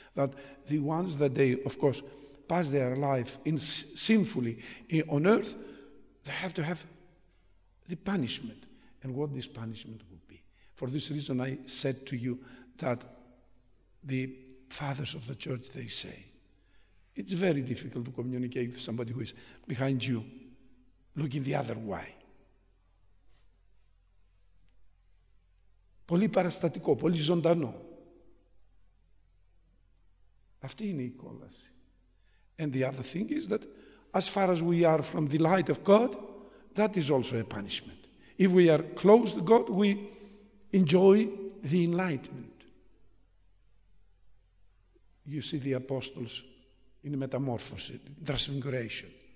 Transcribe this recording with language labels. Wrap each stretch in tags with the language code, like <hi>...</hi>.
<en>That the ones that they, of course, pass their life in sinfully on earth, they have to have the punishment, and what this punishment would be. For this reason, I said to you that the fathers of the church, they say, it's very difficult to communicate with somebody who is behind you, looking the other way.</en> <el>Πολύ παραστατικό, πολύ ζωντανό. Αυτή είναι η κόλαση.</el> <en>And the other thing is that as far as we are from the light of God, that is also a punishment. If we are close to God, we enjoy the enlightenment. You see the apostles in metamorphosis, transfiguration.</en>